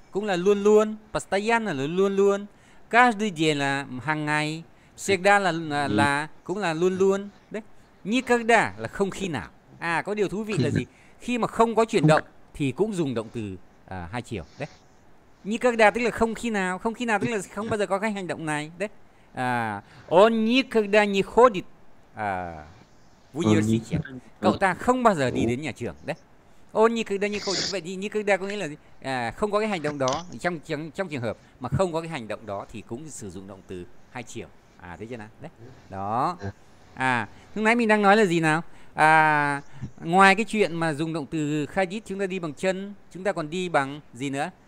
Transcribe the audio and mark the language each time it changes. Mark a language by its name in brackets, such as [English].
[Vietnamese] Cũng là luôn luôn, pastayanna là luôn luôn, [Russian] каждый день [Vietnamese] là hàng ngày, всегда là cũng là luôn luôn. Đấy. Никогда là không khi nào. À, có điều thú vị là gì? Khi mà không có chuyển động thì cũng dùng động từ hai chiều. Đấy. Никогда tức là không khi nào, không khi nào tức là không bao giờ có cái hành động này. Đấy. [Russian] À, он никогда не ходит в университет. [Vietnamese] Cậu ta không bao giờ đi đến nhà trường. Đấy. [Russian] Он никогда не ходит. [Vietnamese] Vậy thì никогда có nghĩa là gì? À, không có cái hành động đó. Trong trường hợp mà không có cái hành động đó thì cũng sử dụng động từ hai chiều. À, thấy chưa nào? Đấy. Đó. À, lúc nãy mình đang nói là gì nào? À, ngoài cái chuyện mà dùng động từ khajit chúng ta đi bằng chân, chúng ta còn đi bằng gì nữa?